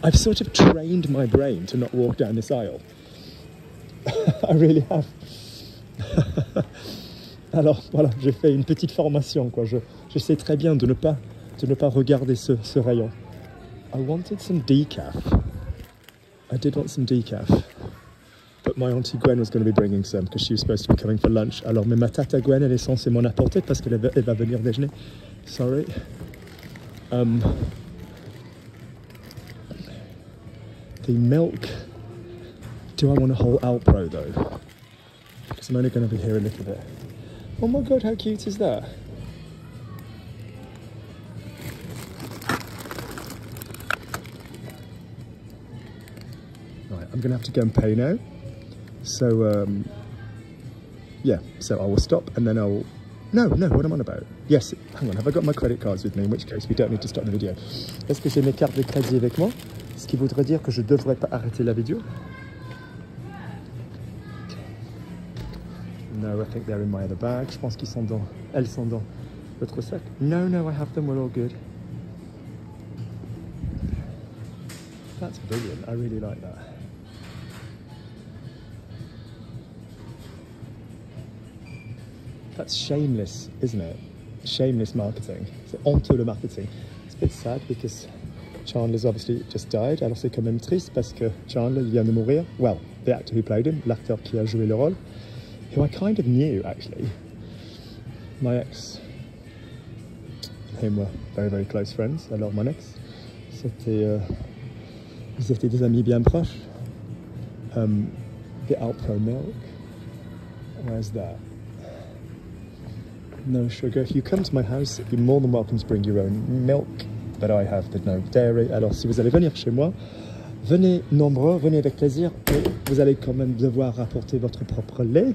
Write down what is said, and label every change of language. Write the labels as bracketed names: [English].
[English] I've sort of trained my brain to not walk down this aisle. I really have. [French] Alors voilà, j'ai fait une petite formation quoi. Je sais très bien de ne pas regarder ce rayon. [English] I wanted some decaf. I did want some decaf. But my auntie Gwen was going to be bringing some because she was supposed to be coming for lunch. [French] Alors mais ma tata Gwen elle est censée m'en apporter parce qu'elle va venir déjeuner. [English] Sorry. The milk. Do I want a whole Alpro though? Because I'm only going to be here a little bit. Oh my god, how cute is that? Right, I'm gonna have to go and pay now. So I will stop and then I'll... No, what am I on about? Yes, hang on, have I got my credit cards with me? In which case, we don't need to stop the video. [French] Est-ce que j'ai mes cartes de crédit avec moi? Ce qui voudrait dire que je devrais pas arrêter la vidéo. [English] No, I think they're in my other bag. [French] Je pense qu'ils sont dans... Elles sont dans votre sac. [English] No, I have them. We're all good. That's brilliant. I really like that. That's shameless, isn't it? Shameless marketing. [French] C'est honteux le marketing. [English] It's a bit sad because Chandler's obviously just died. [French] Alors c'est quand même triste parce que Chandler vient de mourir. [English] Well, the actor who played him, [French] l'acteur qui a joué le rôle, [English] who I kind of knew actually. My ex and him were very, very close friends. [French] Alors mon ex, c'était, ils étaient des amis bien proches. [English] The Alpro milk. Where's that? No sugar. If you come to my house, you're more than welcome to bring your own milk, but I have the no dairy. [French] Alors, si vous allez venir chez moi, venez nombreux, venez avec plaisir, et vous allez quand même devoir apporter votre propre lait.